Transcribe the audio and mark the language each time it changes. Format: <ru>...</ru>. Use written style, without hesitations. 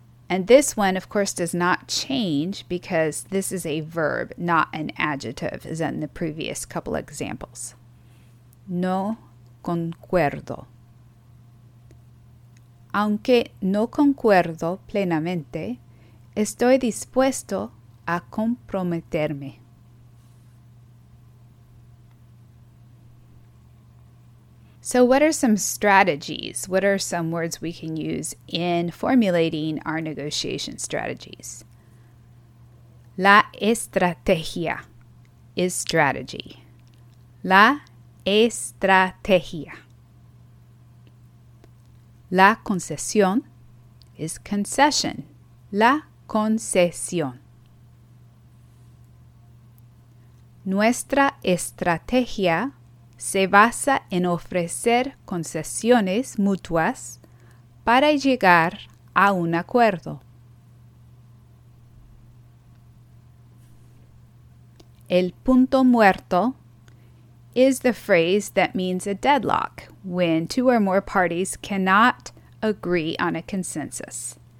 <en>And this one, of course, does not change because this is a verb, not an adjective, as in the previous couple examples.</en> <es>No concuerdo. Aunque no concuerdo plenamente, estoy dispuesto a comprometerme.</es> <en>So what are some strategies? What are some words we can use in formulating our negotiation strategies?</en> <es>La estrategia</es> <en>is strategy.</en> <es>La estrategia. La concesión</es> <en>is concession.</en> <es>La concesión. Nuestra estrategia se basa en ofrecer concesiones mutuas para llegar a un acuerdo. El punto muerto</es> <en>is the phrase that means a deadlock when two or more parties cannot agree on a consensus.</en>